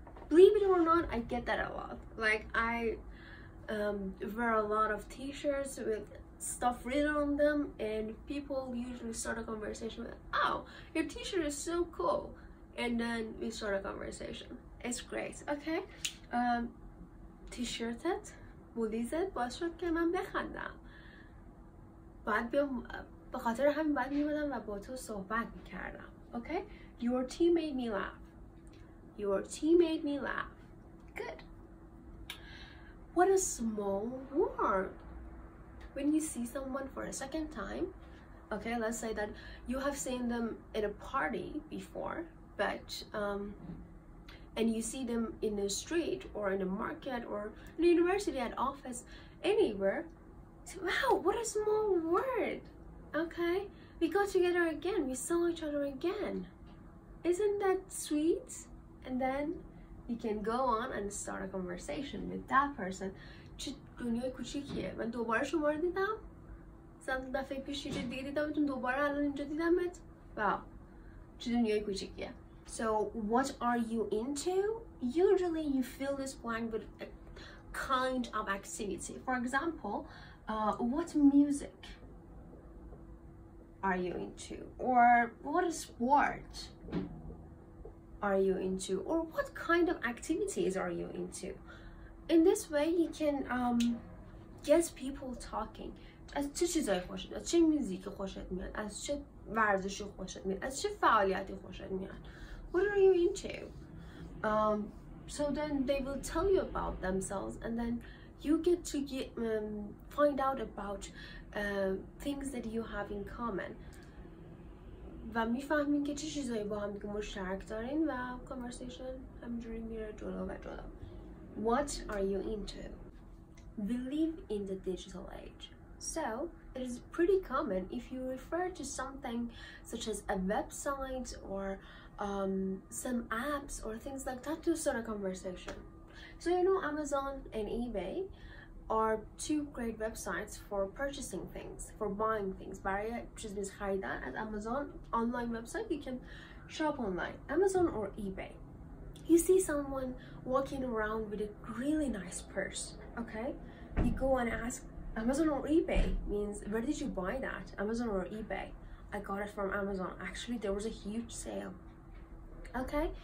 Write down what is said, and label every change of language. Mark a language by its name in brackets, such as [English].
[English] Believe it or not, I get that a lot. Like I wear a lot of t-shirts with stuff written on them, and people usually start a conversation with, oh, your t-shirt is so cool. And then we start a conversation. It's great. Okay. [Persian] T-shirtet, بودیزت باعث شد که من بخندم. بعد به خاطر همین بعد میمدم و با تو صحبت میکردم. [English] Okay. Your tea made me laugh. Your tea made me laugh. Good. What a small world. When you see someone for a second time, okay, let's say that you have seen them at a party before, but and you see them in the street or in the market or in the university, at office, anywhere. So, wow, what a small world. Okay, we got together again. We saw each other again. Isn't that sweet? And then you can go on and start a conversation with that person. [Persian] چه دنیای کوچیکیه. من دوباره شما رو دیدم. مثلا دفعه پیش یه دیگه دیدمتون، دوباره الان اینجا دیدمت. واو. چه دنیای کوچیکیه. [English] So what are you into? Usually you fill this blank with a kind of activity. For example, what music are you into? Or what sport are you into? Or what kind of activities are you into? In this way, you can get people talking. [Persian] از چه چیزایی خوشت؟ از چه موزیکی خوشت میاد؟ از چه ورزشی خوشت میاد؟ از چه فعالیتی خوشت میاد؟ [English] What are you into? So then they will tell you about themselves, and then you get to get, find out about things that you have in common. [Persian] و میفهمین که چه چیزایی با هم دیگه مشترک دارین و کانورسیشن همینجوری میره جلو و جلو. [English] What are you into? We live in the digital age. So, it is pretty common if you refer to something such as a website or some apps or things like that to start a conversation. So, you know, Amazon and eBay are two great websites for purchasing things, for buying things. [Persian] برای چیز میز خریدن از [English] Amazon online website, you can shop online. Amazon or eBay. You see someone walking around with a really nice purse, okay? You go and ask, Amazon or eBay means, where did you buy that? Amazon or eBay? I got it from Amazon. Actually, there was a huge sale. Okay?